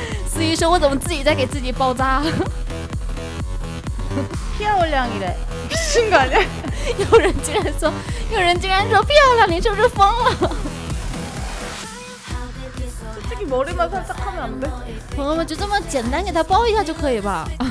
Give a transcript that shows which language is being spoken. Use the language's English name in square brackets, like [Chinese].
[Chinese] 司机说我怎么自己在给自己包扎 [Korean] 피아올량이래미친거아니야 [Chinese] 有人竟然说，有人竟然说漂亮，你是不是疯了？ [Korean] 솔직히머리만살짝하면안돼 [Chinese] 朋友们就这么简单给他包一下就可以吧？